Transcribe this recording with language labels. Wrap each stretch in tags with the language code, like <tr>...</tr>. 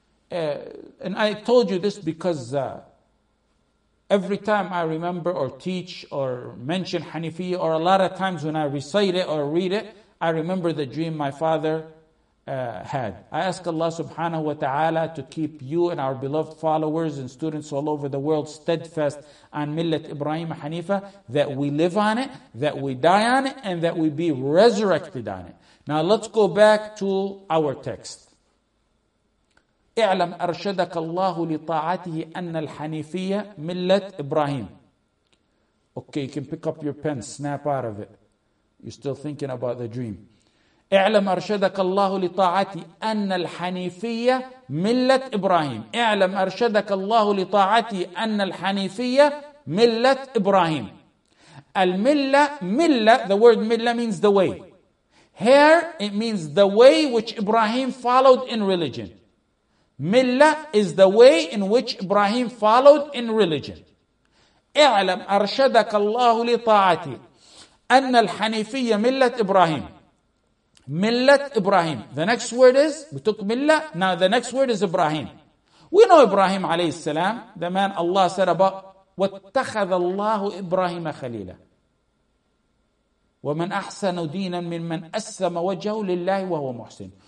<en>And I told you this because every time I remember or teach or mention Hanifiyyah, or a lot of times when I recite it or read it, I remember the dream my father had. I ask Allah subhanahu wa ta'ala to keep you and our beloved followers and students all over the world steadfast on Millat Ibrahim Hanifa, that we live on it, that we die on it, and that we be resurrected on it. Now let's go back to our text.</en> <ar>اعلم أرشدك الله لطاعته أن الحنيفية ملة إبراهيم.</ar> <en>Okay, you can pick up your pen, snap out of it. You're still thinking about the dream.</en> <ar>اعلم أرشدك الله لطاعته أن الحنيفية ملة إبراهيم. اعلم أرشدك الله لطاعته أن الحنيفية ملة إبراهيم. الملة ملة.</ar> <en>The word ملة means the way. Here it means the way which Ibrahim followed in religion. Milla is the way in which Ibrahim followed in religion.</en> <ar>اعلم أرشدك الله لطاعتي أن الحنيفية ملة إبراهيم. ملة إبراهيم.</ar> <en>The next word is, we took Milla, now the next word is Ibrahim. We know Ibrahim عليه السلام, the man Allah said about,</en> <ar>واتخذ الله إبراهيم خليلا. وَمَنْ أَحْسَنُ دِينًا مِنْ مَنْ أَسَّمَ وَجَهُ لِلَّهِ وَهُوَ مُحْسِنٌ.</ar>